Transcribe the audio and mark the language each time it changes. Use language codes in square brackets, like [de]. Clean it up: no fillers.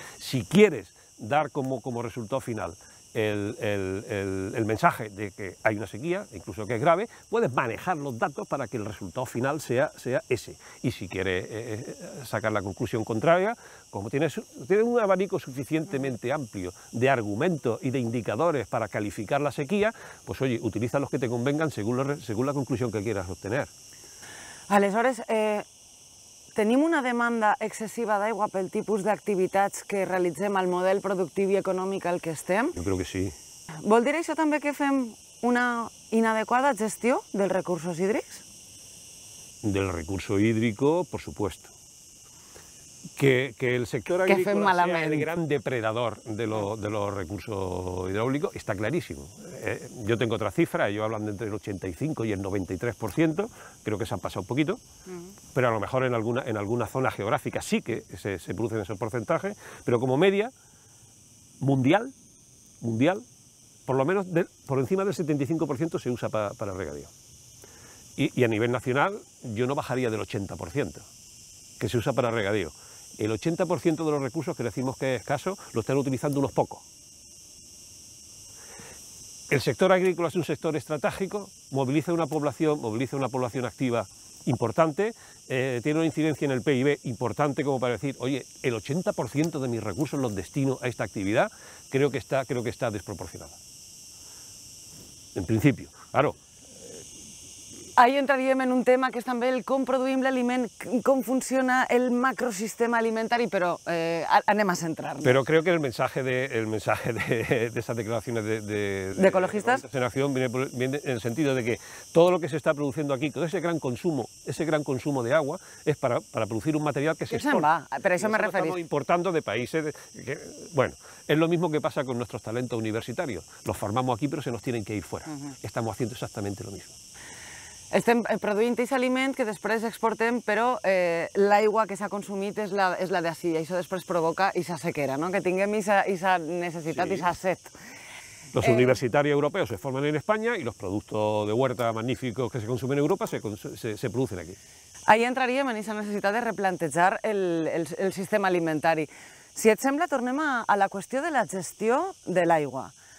[es] Si quieres dar como resultado final el mensaje de que hay una sequía, incluso que es grave, puedes manejar los datos para que el resultado final sea ese. Y si quieres sacar la conclusión contraria, como tienes un abanico suficientemente amplio de argumentos y de indicadores para calificar la sequía, pues oye, utiliza los que te convengan según la conclusión que quieras obtener. [ca] Aleshores, tenim una demanda excessiva d'aigua pel tipus d'activitats que realitzem al model productiu i econòmic al que estem? Jo crec que sí. Vol dir això també que fem una inadequada gestió dels recursos hídrics? [es] Del recurso hídrico, por supuesto. Que el sector agrícola [ca] que fem malament. [es] Sea el gran depredador de los recursos hidráulicos está clarísimo. Yo tengo otra cifra, ellos hablan de entre el 85 y el 93%, creo que se han pasado un poquito, pero a lo mejor en alguna zona geográfica sí que se producen esos porcentajes, pero como media mundial, por lo menos por encima del 75% se usa para regadío. Y a nivel nacional yo no bajaría del 80% que se usa para regadío. El 80% de los recursos que decimos que es escaso lo están utilizando unos pocos. El sector agrícola es un sector estratégico, moviliza una población activa importante, tiene una incidencia en el PIB importante como para decir, oye, el 80% de mis recursos los destino a esta actividad, creo que está desproporcionado. En principio, claro. [ca] Ahí entraríem en un tema que és també el com produïm l'aliment, com funciona el macrosistema alimentari, però anem a centrar-nos. Però crec que [es] el mensaje de esas declaraciones de [ca] ecologistes [es] de Nación viene en el sentido de que todo lo que se está produciendo aquí, todo ese gran consumo de agua es para producir un material que se exporta. Va, pero eso me referís. Estamos importando de países que, bueno, es lo mismo que pasa con nuestros talentos universitarios. Los formamos aquí, pero se nos tienen que ir fuera. Uh-huh. Estamos haciendo exactamente lo mismo. [ca] Estem produint aquest aliment que després exportem, però l'aigua que s'ha consumit és la d'ací. Això després provoca aquesta sequera, no? Que tinguem aquesta necessitat, aquesta sí. Set. [es] Los universitarios europeos se forman en España y los productos de huerta magníficos que se consumen en Europa se producen aquí. [ca] Ahí entraríem en aquesta necessitat de replantejar el sistema alimentari. Si et sembla, tornem a la qüestió de la gestió de l'aigua.